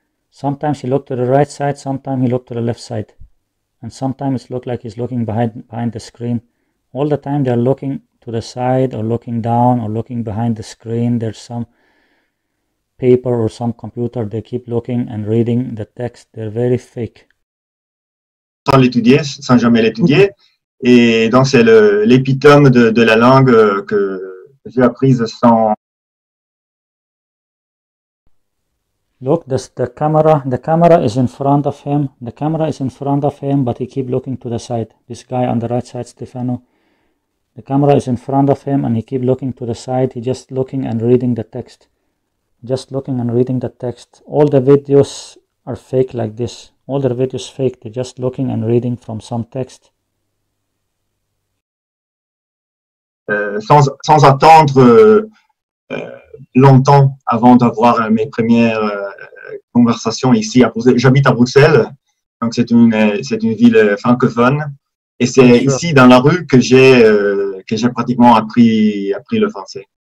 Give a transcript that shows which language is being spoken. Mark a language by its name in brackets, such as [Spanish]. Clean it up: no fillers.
[English] Sometimes he looked to the right side, sometimes he looked to the left side, and sometimes it looked like he's looking behind the screen. All the time they're looking to the side or looking down or looking behind the screen. There's some paper or some computer, they keep looking and reading the text. They're very fake. [French] Sans l'étudier, sans jamais l'étudier. Et donc, c'est l'épitome de la langue que j'ai apprise sans... [English] Look, the camera is in front of him. The camera is in front of him, but he keep looking to the side. This guy on the right side, Stefano. The camera is in front of him and he keep looking to the side. He's just looking and reading the text. Just looking and reading the text. All the videos are fake like this. All the videos fake. They're just looking and reading from some text. [French] Sans attendre longtemps avant d'avoir mes premières conversations ici à Bruxelles. J'habite à Bruxelles, donc c'est une ville francophone. Et c'est ici dans la rue que j'ai pratiquement appris le français.